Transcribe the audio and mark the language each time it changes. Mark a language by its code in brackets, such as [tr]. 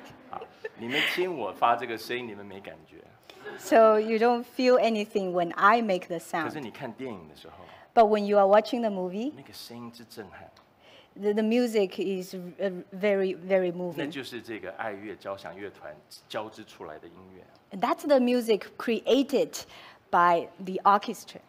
[zh] 好，你们听我发这个声音，你们没感觉。 [en] So you don't feel anything when I make the sound. [zh] 可是你看电影的时候 [en] But when you are watching the movie, [zh] 那个声音之震撼 [en] the music is very, very moving. [zh] 那就是这个爱乐交响乐团交织出来的音乐 [en] That's the music created by the orchestra.